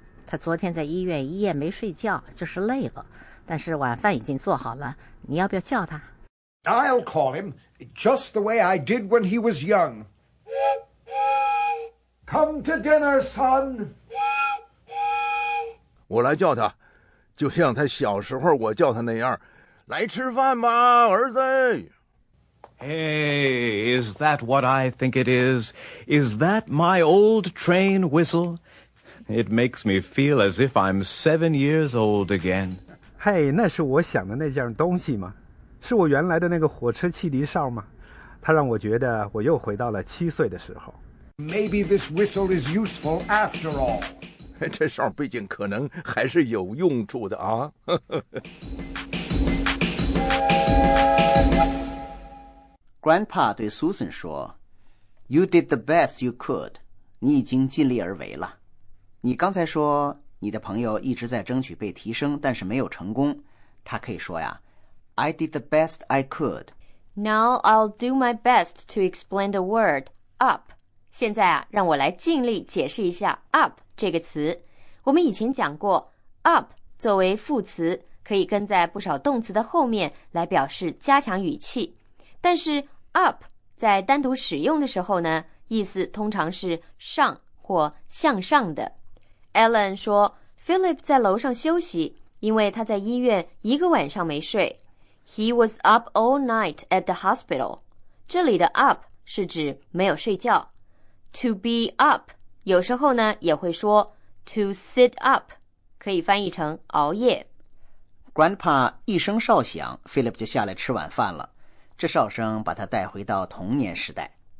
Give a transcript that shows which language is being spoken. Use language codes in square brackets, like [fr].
[zh] 他昨天在医院一夜没睡觉，就是累了。但是晚饭已经做好了，你要不要叫他？ [en] I'll call him, just the way I did when he was young. Come to dinner, son. [zh] 我来叫他，就像他小时候我叫他那样。来吃饭吧，儿子。 [en] Hey, is that what I think it is? Is that my old train whistle? It makes me feel as if I'm 7 years old again. [zh] Hey, 那是我想的那件东西吗？是我原来的那个火车汽笛哨吗？它让我觉得我又回到了7岁的时候。 [en] Maybe this whistle is useful after all. [zh] 这哨毕竟可能还是有用处的啊。 [en] Grandpa [zh] 对 [en] Susan [zh] 说 [en] You did the best you could. [zh] 你已经尽力而为了。你刚才说你的朋友一直在争取被提升，但是没有成功。他可以说呀 [en] I did the best I could. Now I'll do my best to explain the word up. [zh] 现在啊，让我来尽力解释一下 up 这个词。我们以前讲过 up 作为副词可以跟在不少动词的后面来表示加强语气。但是 up 在单独使用的时候呢，意思通常是上或向上的。 Ellen 说 Philip 在楼上休息，因为他在医院一个晚上没睡。 [en] He was up all night at the hospital. [zh] 这里的 up 是指没有睡觉。 [en] To be up [zh] 有时候呢也会说 [en] To sit up [zh] 可以翻译成熬夜。 Grandpa 一声哨响， Philip 就下来吃晚饭了。这哨声把他带回到童年时代。